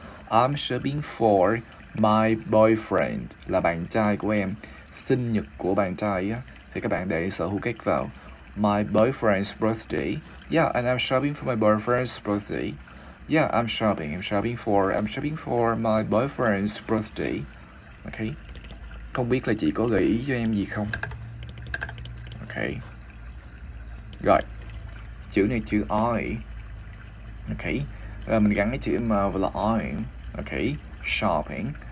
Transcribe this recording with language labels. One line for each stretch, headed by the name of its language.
English: I'm shopping for my boyfriend.
Vietnamese: Là bạn trai của em. Sinh nhật của bạn trai á. Thì các bạn để sở hữu cách vào
English: my boyfriend's birthday. Yeah, and I'm shopping for my boyfriend's birthday. Yeah, I'm shopping for my boyfriend's birthday.
Vietnamese: Ok, không biết là chị có gợi ý cho em gì không. Ok, rồi, chữ này chữ I. Ok, rồi mình gắn cái chữ M và là I. Ok, shopping.